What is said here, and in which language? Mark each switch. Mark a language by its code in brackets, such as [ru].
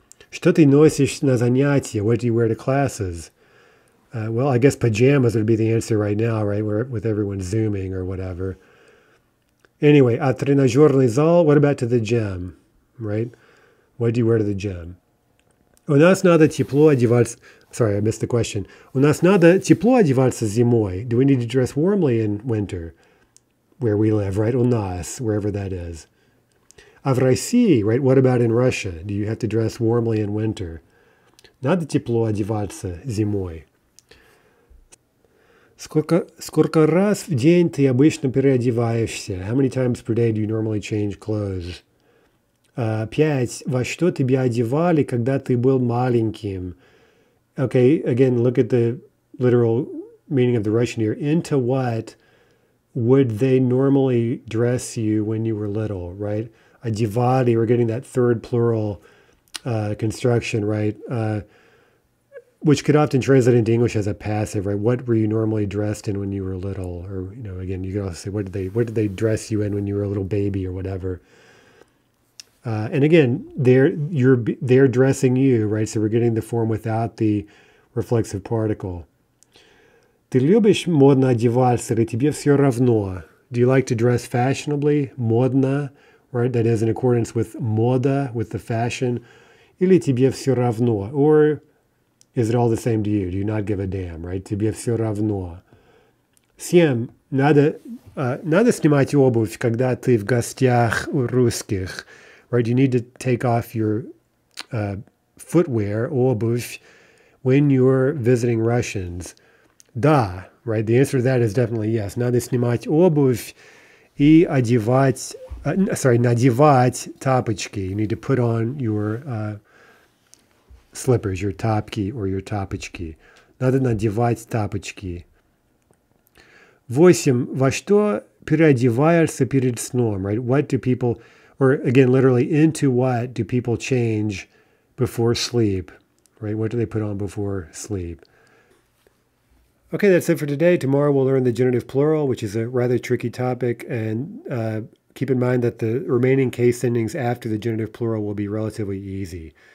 [ru] Что ты носишь на занятия? [en] What do you wear to classes? Well, I guess pajamas would be the answer right now, right? We're with everyone Zooming or whatever. Anyway, [ru] а тренажерный зал? [en] What about to the gym, right? What do you wear to the gym? [ru] У нас надо тепло одеваться. [en] Sorry, I missed the question. [ru] У нас надо тепло одеваться зимой. [en] Do we need to dress warmly in winter? Where we live, right? [ru] У нас, [en] wherever that is. [ru] А в России, right? [en] What about in Russia? Do you have to dress warmly in winter? [ru] Надо тепло одеваться зимой. Сколько раз в день ты обычно переодеваешься? [en] How many times per day do you normally change clothes? [ru] Пять. Во что тебя одевали, когда ты был маленьким? [en] Okay, again, look at the literal meaning of the Russian here. Into what would they normally dress you when you were little, right? Одевали, we're getting that third plural construction, right? which could often translate into English as a passive, right? What were you normally dressed in when you were little? Or, you know, again, you could also say, what did they dress you in when you were a little baby or whatever? And again, they're dressing you, right? So we're getting the form without the reflexive particle. [ru] Ты любишь модно одеваться, или тебе все равно? [en] Do you like to dress fashionably? Модно, right? That is in accordance with мода, with the fashion. [ru] Или тебе все равно? [en] Or is it all the same to you? Do you not give a damn, right? [ru] Тебе все равно. Всем надо снимать обувь, когда ты в гостях у русских. [en] Right, you need to take off your footwear, обувь, when you're visiting Russians. Да, right, the answer to that is definitely yes. [ru] Надо снимать обувь и одевать, надевать тапочки. [en] You need to put on your slippers, your тапки or your тапочки. [ru] Надо надевать тапочки. Восемь. Во что переодеваешься перед сном, right? [en] What do people... Or again, literally, into what do people change before sleep, right? What do they put on before sleep? Okay, that's it for today. Tomorrow we'll learn the genitive plural, which is a rather tricky topic. And keep in mind that the remaining case endings after the genitive plural will be relatively easy.